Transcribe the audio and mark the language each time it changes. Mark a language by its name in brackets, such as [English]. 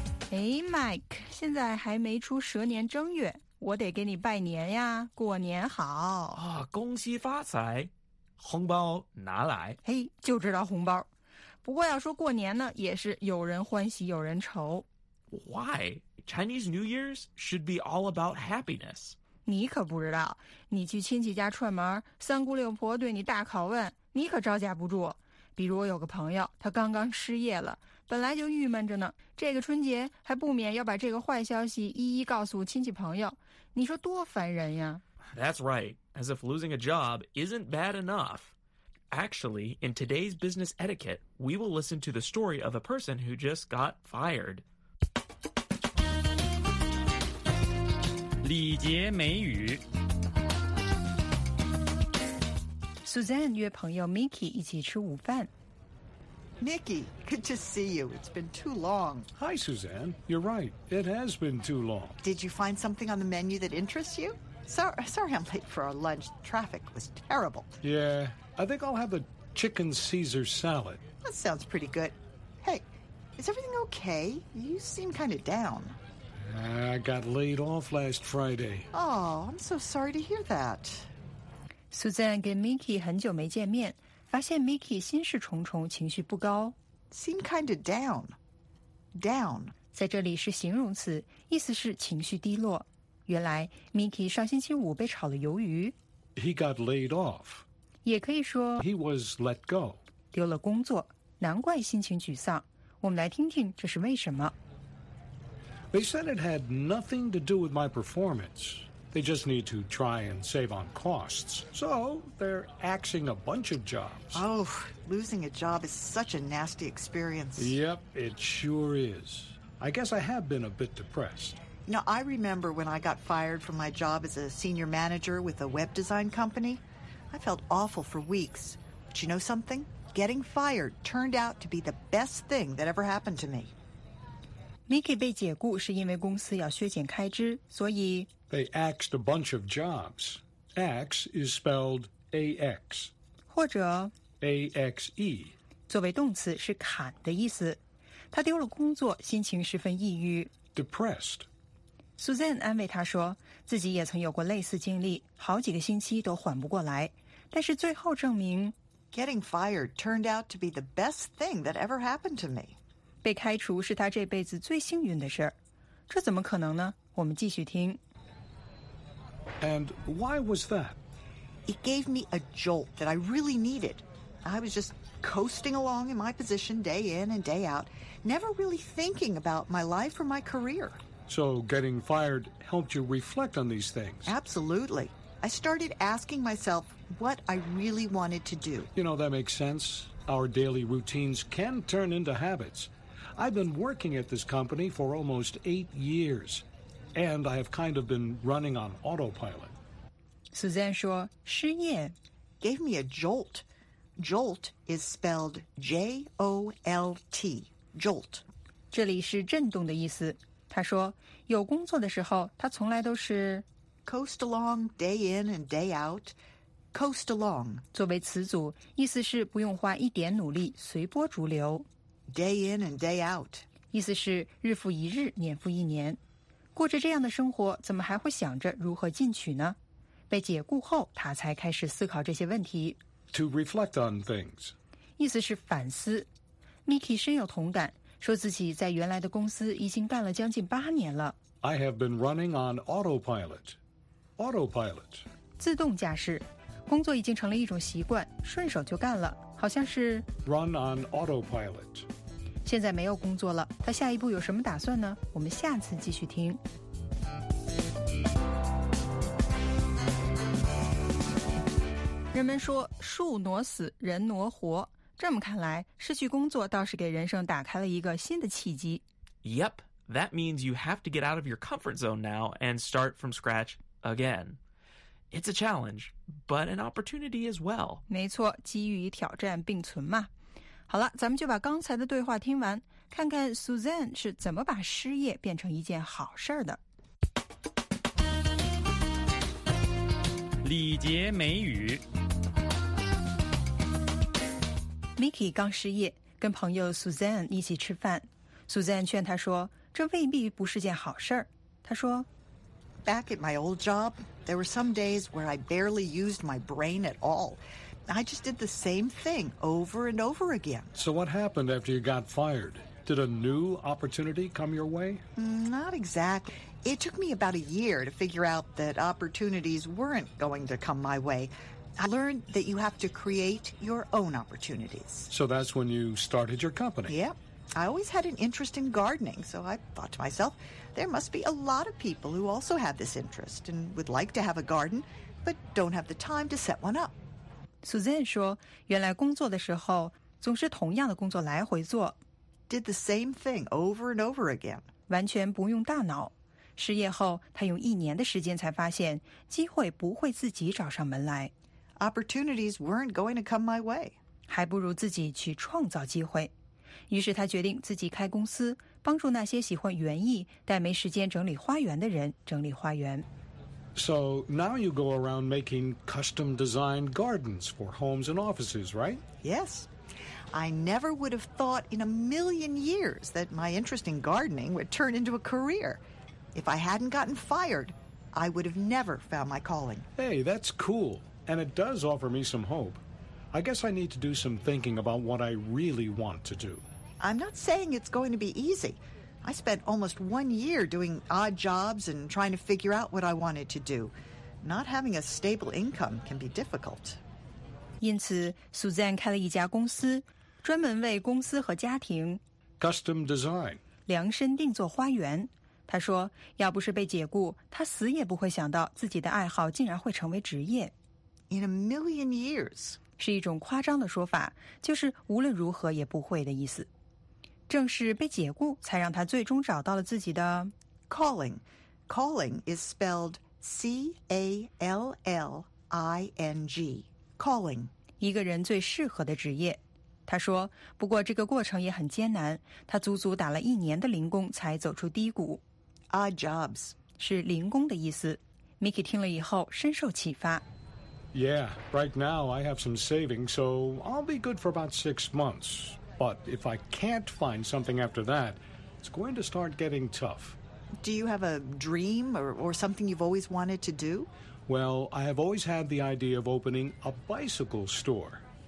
[Chinese] 哎 ，Mike， 现在还没出蛇年正月，我得给你拜年呀，过年好啊，恭喜发财。红包拿来，嘿，就知道红包。不过要说过年呢，也是有人欢喜有人愁。 [English] Why? Chinese New Year's should be all about happiness. 你可不知道，你去亲戚家串门，三姑六婆对你大拷问，你可招架不住。比如我有个朋友，他刚刚失业了，本来就郁闷着呢，这个春节还不免要把这个坏消息一一告诉亲戚朋友，你说多烦人呀。 That's right. As if losing a job isn't bad enough. Actually, in today's business etiquette, we will listen to the story of a person who just got fired. [Chinese] 礼节美语 Suzanne 约朋友 Mickey 一起吃午饭 [English] Mickey, good to see you. It's been too long. Hi, Suzanne. You're right. It has been too long. Did you find something on the menu that interests you? Sorry, I'm late for our lunch. Traffic was terrible. Yeah, I think I'll have a chicken Caesar salad. That sounds pretty good. Hey, is everything okay? You seem kind of down. I got laid off last Friday. Oh, I'm so sorry to hear that. [Chinese] Suzanne 跟 Mickey 很久没见面，发现 Mickey 心事重重，情绪不高。 [English] Seem kind of down. Down. [Chinese] 在这里是形容词，意思是情绪低落。原来 Mickey 上星期五被炒了鱿鱼。 [English] He got laid off. [Chinese] 也可以说 [English] He was let go. [Chinese] 丢了工作，难怪心情沮丧。我们来听听这是为什么。 [English] They said it had nothing to do with my performance. They just need to try and save on costs. So they're axing a bunch of jobs. Oh, losing a job is such a nasty experience. Yep, it sure is. I guess I have been a bit depressed. Now, I remember when I got fired from my job as a senior manager with a web design company. I felt awful for weeks. But you know something? Getting fired turned out to be the best thing that ever happened to me. [Chinese] Nikki 被解雇是因为公司要削减开支，所以 [English] They axed a bunch of jobs. Axe is spelled A-X. [Chinese] 或者 [English] A-X-E. [Chinese] 作为动词是砍的意思。他丢了工作，心情十分抑郁。 [English] Depressed. [Chinese] Suzanne 安慰他说，自己也曾有过类似经历，好几个星期都缓不过来。但是最后证明 [English] Getting fired turned out to be the best thing that ever happened to me. [Chinese] 被开除是他这辈子最幸运的事儿，这怎么可能呢？我们继续听。 [English] And why was that? It gave me a jolt that I really needed. I was just coasting along in my position day in and day out, never really thinking about my life or my career. So getting fired helped you reflect on these things? Absolutely. I started asking myself what I really wanted to do. You know, that makes sense. Our daily routines can turn into habits. I've been working at this company for almost 8 years, and I have kind of been running on autopilot. [Chinese] Suzanne 说失业 [English] gave me a jolt. Jolt is spelled J-O-L-T. Jolt. [Chinese] 这里是震动的意思。他说有工作的时候他从来都是 [English] coast along day in and day out. Coast along. [Chinese] 作为词组意思是不用花一点努力随波逐流。 [English] Day in and day out. [Chinese] 意思是日复一日，年复一年。过着这样的生活，怎么还会想着如何进取呢？被解雇后，他才开始思考这些问题。 [English] To reflect on things. [Chinese] 意思是反思。 Mickey 深有同感，说自己在原来的公司已经干了将近8年了。 [English] I have been running on autopilot. Autopilot. [Chinese] 自动驾驶。工作已经成了一种习惯，顺手就干了，好像是 [English] Run on autopilot. [Chinese] 现在没有工作了，他下一步有什么打算呢？我们下次继续听。人们说树挪死，人挪活。这么看来，失去工作倒是给人生打开了一个新的契机。 [English] Yep, that means you have to get out of your comfort zone now and start from scratch again. It's a challenge, but an opportunity as well. [Chinese] 没错，机遇与挑战并存嘛。好了，咱们就把刚才的对话听完，看看 Suzanne 是怎么把失业变成一件好事的。礼节美语。 Mickey 刚失业，跟朋友 Suzanne 一起吃饭。 Suzanne 劝他说，这未必不是件好事。他说 [English] Back at my old job, there were some days where I barely used my brain at all. I just did the same thing over and over again. So what happened after you got fired? Did a new opportunity come your way? Not exactly. It took me about a year to figure out that opportunities weren't going to come my way. I learned that you have to create your own opportunities. So that's when you started your company? Yep. I always had an interest in gardening, so I thought to myself, there must be a lot of people who also have this interest and would like to have a garden, but don't have the time to set one up. [Chinese] Suzanne 说，原来工作的时候总是同样的工作来回做。 [English] Did the same thing over and over again. [Chinese] 完全不用大脑。失业后，他用一年的时间才发现，机会不会自己找上门来。 [English] Opportunities weren't going to come my way. [Chinese] 还不如自己去创造机会。于是他决定自己开公司，帮助那些喜欢园艺但没时间整理花园的人整理花园。 [English] So now you go around making custom designed gardens for homes and offices, right? Yes. I never would have thought in a million years that my interest in gardening would turn into a career. If I hadn't gotten fired, I would have never found my calling. Hey, that's cool. And it does offer me some hope. I guess I need to do some thinking about what I really want to do. I'm not saying it's going to be easy. I spent almost 1 year doing odd jobs and trying to figure out what I wanted to do. Not having a stable income can be difficult. [Chinese] 因此 Suzanne 开了一家公司专门为公司和家庭 [English] Custom design. [Chinese] 量身定做花园。她说要不是被解雇她死也不会想到自己的爱好竟然会成为职业。 [English] In a million years. [Chinese] 是一种夸张的说法，就是无论如何也不会的意思。正是被解雇，才让他最终找到了自己的 [English] calling. Calling is spelled C-A-L-L-I-N-G. Calling. [Chinese] 一个人最适合的职业。他说，不过这个过程也很艰难，他足足打了一年的零工才走出低谷。 [English] Odd jobs. [Chinese] 是零工的意思。 Mickey 听了以后深受启发。 [English] Yeah, right now I have some savings, so I'll be good for about 6 months. But if I can't find something after that, it's going to start getting tough. Do you have a dream or something you've always wanted to do? Well, I have always had the idea of opening a bicycle store.